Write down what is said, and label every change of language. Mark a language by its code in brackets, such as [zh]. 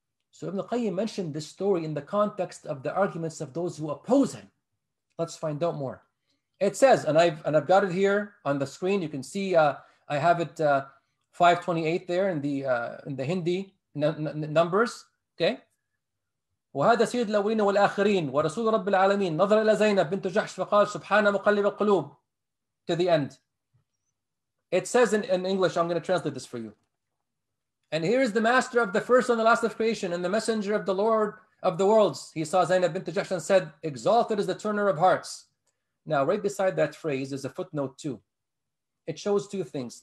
[en] So Ibn Qayyim mentioned this story in the context of the arguments of those who oppose him. Let's find out more. It says, and I've got it here on the screen. You can see I have it 528 there in the Hindi numbers. Okay. [ar] وهذا سيد الأولين والآخرين ورسول رب العالمين نظر إلى زينب بنت جحش فقال سبحان مقلب القلوب [en] to the end. It says in English. I'm going to translate this for you. And here is the master of the first and the last of creation and the messenger of the Lord of the worlds. He saw Zaynab bint Jahsh and said, exalted is the turner of hearts. Now, right beside that phrase is a footnote too. It shows two things.